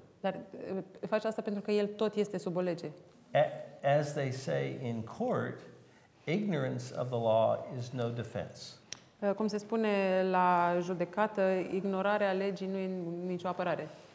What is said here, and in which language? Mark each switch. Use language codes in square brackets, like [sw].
[ro] Dar face asta pentru că el tot este sub o lege. [en] As they say in court, ignorance of the law is no defense. [ro] Cum se spune la judecată, ignorarea legii nu e nicio apărare.